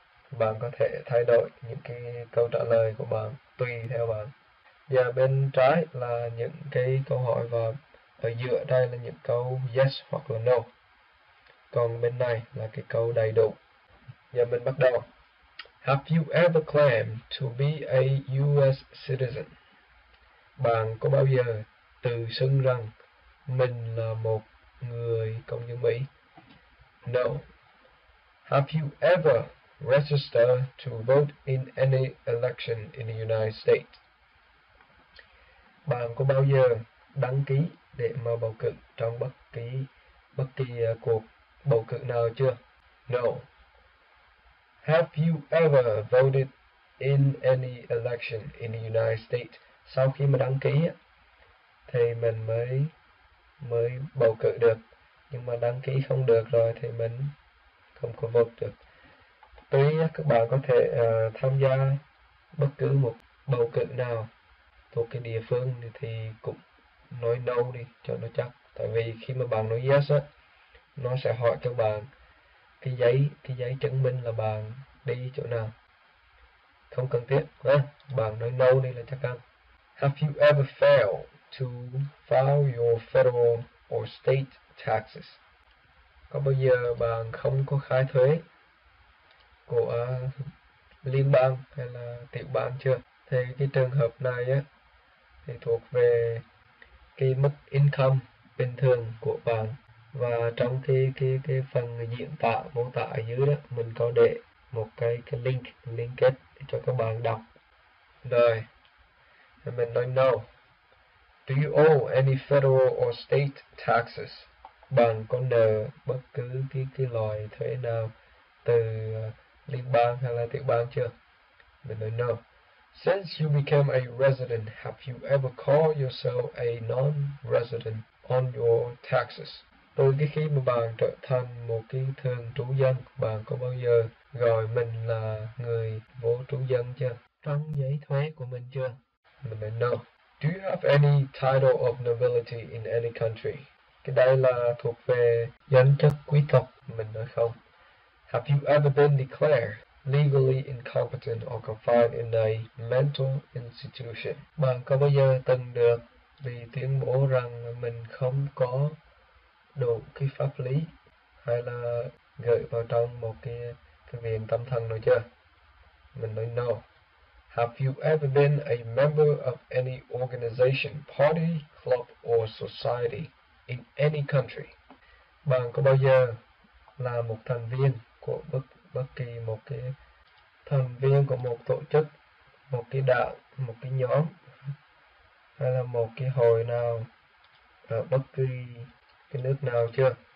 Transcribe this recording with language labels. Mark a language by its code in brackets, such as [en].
[vi] Bạn có thể thay đổi những cái câu trả lời của bạn tùy theo bạn. Và bên trái là những cái câu hỏi và ở giữa đây là những câu yes hoặc là no. Còn bên này là cái câu đầy đủ. Và mình bắt đầu. [en] Have you ever claimed to be a US citizen? [vi] Bạn có bao giờ tự xưng rằng mình là một người công dân Mỹ? [en] No. Have you ever registered to vote in any election in the United States? [vi] Bạn có bao giờ đăng ký để mà bầu cử trong bất kỳ cuộc bầu cử nào chưa? [en] No. Have you ever voted in any election in the United States? [vi] Sau khi mà đăng ký thì mình mới bầu cử được. Nhưng mà đăng ký không được rồi thì mình không có vote được. Tuy các bạn có thể tham gia bất cứ một bầu cử nào thuộc cái địa phương thì cũng nói no đi cho nó chắc. Tại vì khi mà bạn nói yes á, nó sẽ hỏi cho bạn cái giấy chứng minh là bạn đi chỗ nào. Không cần thiết, bạn nói no đi là chắc ăn. [en] Have you ever failed to file your federal or state taxes? [vi] Có bao giờ bạn không có khai thuế của liên bang hay là tiểu bang chưa? Thì cái trường hợp này á, thì thuộc về cái mức income bình thường của bạn. Và trong cái phần diễn tả mô tả ở dưới đó, mình có để một cái link cho các bạn đọc. Rồi, mình nói no. [en] Do you owe any federal or state taxes? [vi] Bạn có nợ bất cứ cái loại thuế nào từ liên bang hay là tiểu bang chưa? Mình nói no. [en] Since you became a resident, have you ever called yourself a non-resident on your taxes? [vi] Từ cái khi mà bạn trở thành một cái thường trú dân, bạn có bao giờ gọi mình là người vô trú dân chưa? Trong giấy thuế của mình chưa? Mình nói no. [en] Do you have any title of nobility in any country? [vi] Cái đây là thuộc về danh chức quý tộc. Mình nói không. [en] Have you ever been declared legally incompetent or confined in a mental institution? [vi] Bạn có bao giờ từng được bị tuyên bố rằng mình không có đủ cái pháp lý hay là gửi vào trong một cái viện tâm thần nào chưa? Mình nói no. [en] Have you ever been a member of any organization, party, club or society in any country? [vi] Bạn có bao giờ là một thành viên của bất kỳ một cái thành viên của một tổ chức, một cái đảng, một cái nhóm hay là một cái hội nào ở bất kỳ cái nước nào chưa?